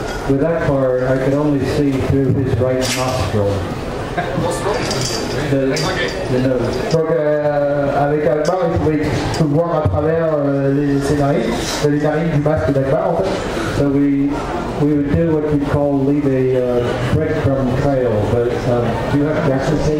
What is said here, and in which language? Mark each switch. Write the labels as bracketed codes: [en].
[en] with that far, I could only see through his right nostril. [fr] Avec Akbar, il pouvait tout voir à travers les narines du masque d'Akbar en fait. [en] So we would do what you'd call leave a breadcrumb trail, but do you have gas tape?